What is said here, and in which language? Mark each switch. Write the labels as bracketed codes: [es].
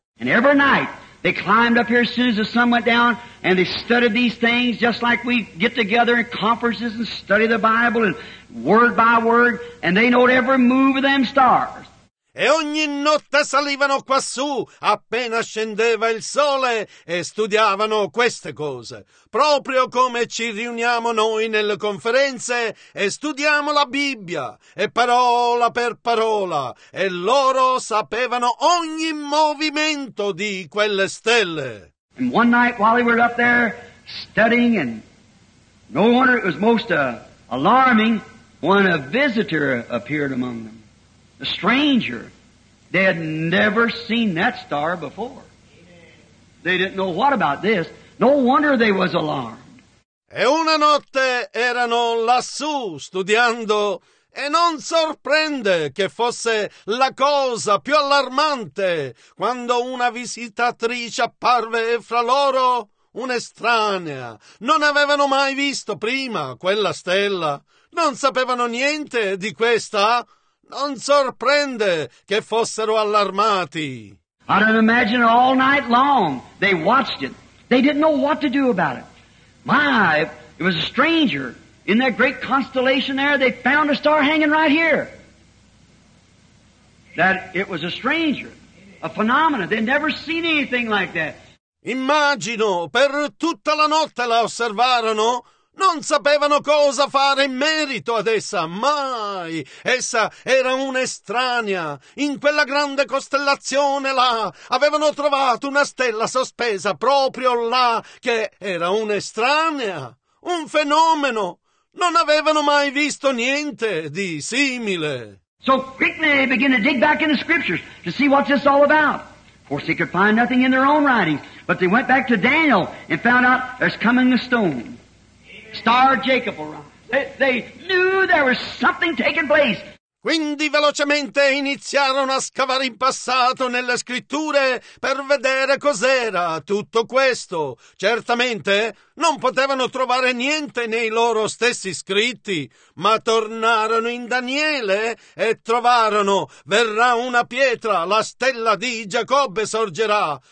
[en] And every night. They climbed up here as soon as the sun went down, and they studied these things just like we get together in conferences and study the Bible and word by word, and they know every move of them stars. [it] E ogni notte salivano quassù, appena scendeva il sole, e studiavano queste cose. Proprio come ci riuniamo noi nelle conferenze e studiamo la Bibbia, e parola per parola, e loro sapevano ogni movimento di quelle stelle. [en] And one night while we were up there studying, and no wonder it was most alarming, when a visitor appeared among them. A stranger. They had never seen that star before. They didn't know what about this. No wonder they was alarmed. [it] E una notte erano lassù studiando, e non sorprende che fosse la cosa più allarmante quando una visitatrice apparve fra loro, un'estranea. Non avevano mai visto prima quella stella. Non sapevano niente di questa. Non sorprende che fossero allarmati. [en] I don't imagine all night long they watched it. They didn't know what to do about it. My, it was a stranger. In that great constellation there, they found a star hanging right here. That it was a stranger, a phenomenon. They'd never seen anything like that. [it] Immagino, per tutta la notte la osservarono. Non sapevano cosa fare in merito ad essa, mai. Essa era un'estranea. In quella grande costellazione là, avevano trovato una stella sospesa proprio là, che era un'estranea, un fenomeno. Non avevano mai visto niente di simile. [en] So quickly they begin to dig back in the scriptures to see what this all about. Of course they could find nothing in their own writings, but they went back to Daniel and found out there's coming a stone. Star Jacob around. They knew there was something taking place. [it] Quindi velocemente iniziarono a scavare in passato nelle scritture per vedere cos'era tutto questo. Certamente non potevano trovare niente nei loro stessi scritti, ma tornarono in Daniele e trovarono, verrà una pietra, la stella di Giacobbe sorgerà.